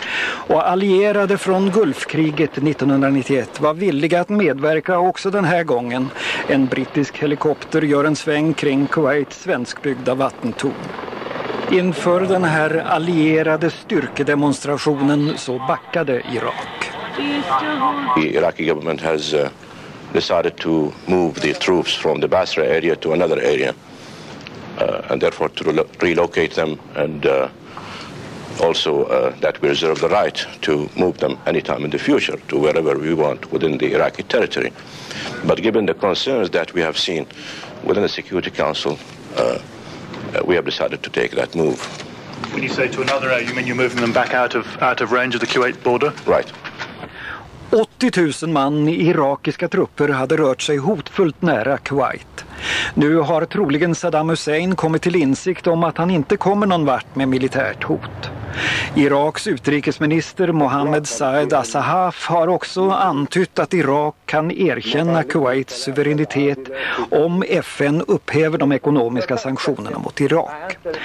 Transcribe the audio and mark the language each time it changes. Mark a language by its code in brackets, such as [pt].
[sv] Och allierade från Gulfkriget 1991 var villiga att medverka också den här gången. En brittisk helikopter gör en sväng kring Kuwaits svenskbyggda vattentorn. Inför den här allierade styrkedemonstrationen så backade Irak. [en] The Iraqi government has decided to move the troops from the Basra area to another area and therefore to relocate them and also that we reserve the right to move them anytime in the future to wherever we want within the Iraqi territory. But given the concerns that we have seen within the Security Council, we have decided to take that move. When you say to another area, you mean you're moving them back out of range of the Kuwait border? Right. [sv] 80 000 man i irakiska trupper hade rört sig hotfullt nära Kuwait. Nu har troligen Saddam Hussein kommit till insikt om att han inte kommer någon vart med militärt hot. Iraks utrikesminister Mohammed Saad Asahaf har också antytt att Irak kan erkänna Kuwaits suveränitet om FN upphäver de ekonomiska sanktionerna mot Irak.